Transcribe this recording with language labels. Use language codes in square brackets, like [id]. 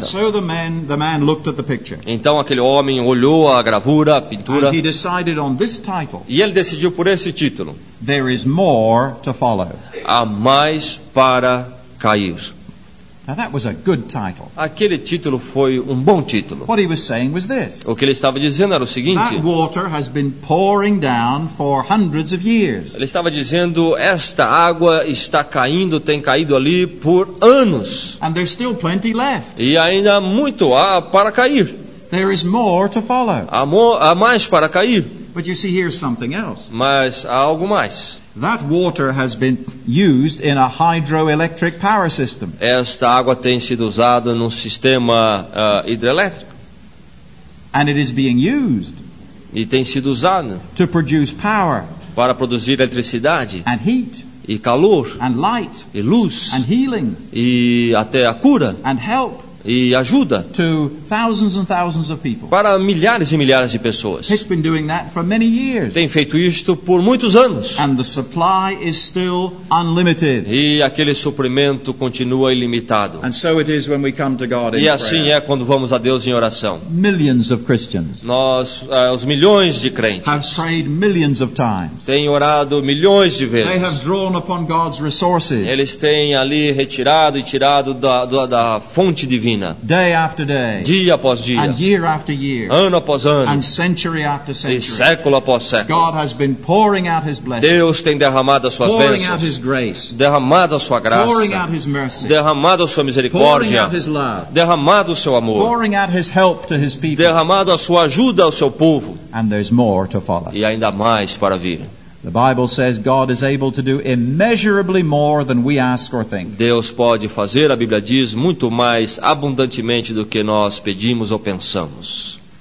[en] And so the man looked at the picture. [pt] Então aquele homem olhou a gravura, a pintura. [en] And he decided on this title. [pt] E ele decidiu por esse título. [en] There is more to follow. [pt] Há mais para cair. [en] Now that was a good title. [pt] Aquele título foi um bom título. [en] What he was saying was this. [pt] O que ele estava dizendo era o seguinte. [en] That water has been pouring down for hundreds of years. [pt] Ele estava dizendo, esta água está caindo, tem caído ali por anos. [en] And there's still plenty left. [pt] E ainda muito há para cair. [en] There is more to follow. [pt] Há mais para cair. [en] But you see, here's something else. [pt] Mas há algo mais. [en] That water has been used in a hydroelectric power system. [pt] Esta água tem sido usada num sistema hidrelétrico. [en] And it is being used. [pt] E tem sido usada. [en] To produce power. [pt] Para produzir eletricidade. [en] And heat. [pt] E calor. [en] And light. [pt] E luz. [en] And healing. [pt] E até a cura. [en] And help. [pt] E ajuda [en] to thousands and thousands of people. [pt] Para milhares e milhares de pessoas. [en] It's been doing that for many years. [pt] Tem feito isto por muitos anos. [en] And the supply is still unlimited. [pt] E aquele suprimento continua ilimitado. [en] And so it is when we come to God [pt] e assim [en] prayer. [pt] É quando vamos a Deus em oração. [en] Millions of Christians. [pt] Nós, os milhões de crentes [en] have prayed millions of times. [pt] Têm orado milhões de vezes. [en] They have drawn upon God's resources. [pt] Eles têm ali retirado e tirado da fonte divina. [en] Day after day, [pt] dia após dia, [en] and year after year, [pt] ano após ano, [en] and century after century, [pt] e século após século, [en] God has been pouring out His blessings, [pt] Deus tem derramado as suas [en] pouring [pt] bênçãos, [en] out His grace, [pt] derramado a sua graça, [en] pouring out His mercy, [pt] derramado a sua misericórdia, [en] pouring out His love, [pt] derramado o seu amor, [en] pouring out His help to His people, [pt] derramado a sua ajuda ao seu povo, [en] and there's more to follow. [pt] E ainda mais para vir. [en] The Bible says God is able to do immeasurably more than we ask or think. [pt] Deus pode fazer, a Bíblia diz, muito mais abundantemente do que nós pedimos ou pensamos.